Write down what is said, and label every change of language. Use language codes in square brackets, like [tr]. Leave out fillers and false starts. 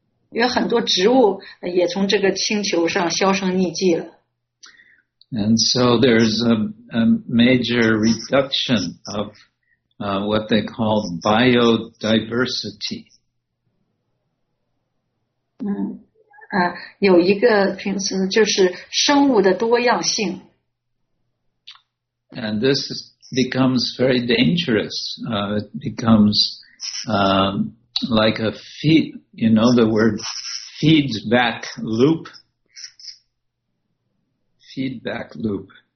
[zh] 有很多植物也从这个星球上销声匿迹了。 [en] And so there's a major reduction of what they call biodiversity. [zh] 有一个平时就是生物的多样性。 [en] And this becomes very dangerous. It becomes like a feed, you know the word feedback loop. Feedback loop.